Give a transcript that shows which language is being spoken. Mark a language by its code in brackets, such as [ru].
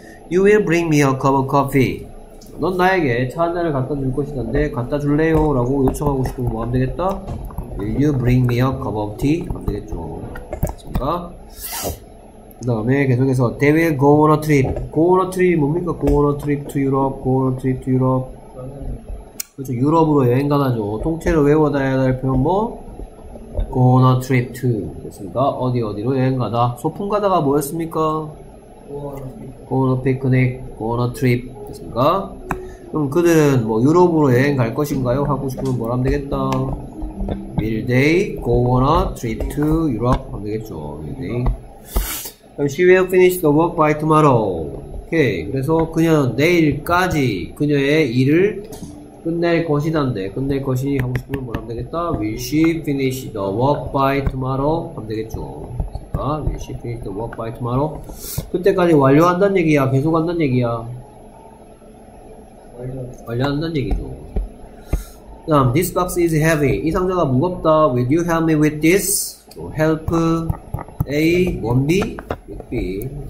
[en] You will bring me a cup of coffee. [ko] 넌 나에게 차 한 잔을 갖다 줄 것이던데 갖다 줄래요? 라고 요청하고 싶으면 뭐 하면 되겠다? [en] Will you bring me a cup of tea? [ko] 하면 되겠죠. 됐습니까? 그 다음에 계속해서 [en] They will go on a trip. Go on a trip [ko] 뭡니까? [en] Go on a trip to Europe. Go on a trip to Europe. [ko] 그렇죠. 유럽으로 여행 가나죠. 통째로 외워놔야 할 표현 뭐? [en] Go on a trip to. [ko] 됐습니까? 어디 어디로 여행 가다. 소풍 가다가 뭐였습니까? [en] Go on a picnic. Go on a trip. [ko] 됐습니까? 그럼 그들은 뭐 유럽으로 여행 갈 것인가요? 하고 싶으면 뭐라 하면 되겠다. [en] Will they go on a trip to Europe? [ko] 하면 되겠죠. [en] Will they? She will finish the work by tomorrow. Okay. [ko] 그래서 그녀는 내일까지 그녀의 일을 끝낼 것이던데, 끝낼 것이니 하고 싶으면 뭐라 하면 되겠다. [en] Will she finish the work by tomorrow? [ko] 하면 되겠죠. [en] 아, will she finish the work by tomorrow? [ko] 그때까지 완료한다는 얘기야? 계속한다는 얘기야? 완료한다는 얘기죠. 다음, [en] this box is heavy. [ko] 이 상자가 무겁다. [en] Will you help me with this? Help A, 1, B? B.